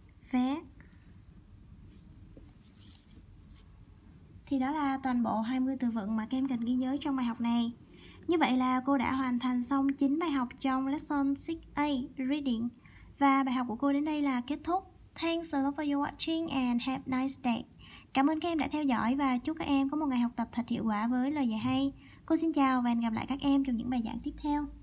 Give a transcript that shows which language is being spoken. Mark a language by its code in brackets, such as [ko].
[vi] Vé. Thì đó là toàn bộ 20 từ vựng mà các em cần ghi nhớ trong bài học này. Như vậy là cô đã hoàn thành xong 9 bài học trong Lesson 6A Reading. Và bài học của cô đến đây là kết thúc. [en] Thanks a lot for your watching and have a nice day. [vi] Cảm ơn các em đã theo dõi và chúc các em có một ngày học tập thật hiệu quả với lời dạy hay. Cô xin chào và hẹn gặp lại các em trong những bài giảng tiếp theo.